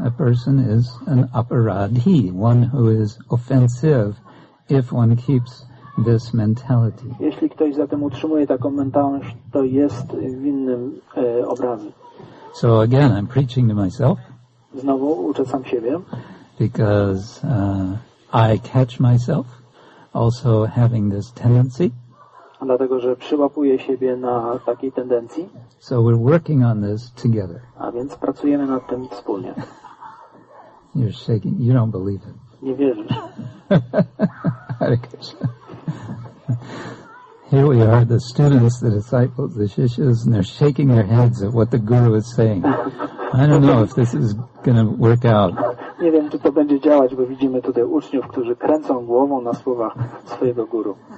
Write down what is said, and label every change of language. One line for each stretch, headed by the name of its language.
English: A person is an aparadhi, one who is offensive, if one keeps this mentality.
Polish: Jeśli ktoś zatem utrzymuje taką mentalność, to jest winnym obrazy.
English: So again, I'm preaching to myself.
Polish: Znowu uczę sam siebie.
English: Because I catch myself also having this tendency.
Polish: Dlatego, że przyłapuję siebie na takiej tendencji.
English: So we're working on this together.
Polish: A więc pracujemy nad tym wspólnie.
English: You're shaking. You don't believe it.
Polish: Nie wierzysz.
Sanskrit: Hare Krishna.
English: Here we are, the students, the disciples, the shishas, and they're shaking their heads at what the guru is saying. I don't know if this is going to work out.
Polish: Nie wiem, czy to będzie działać, bo widzimy tutaj uczniów, którzy kręcą głową na słowach swojego guru.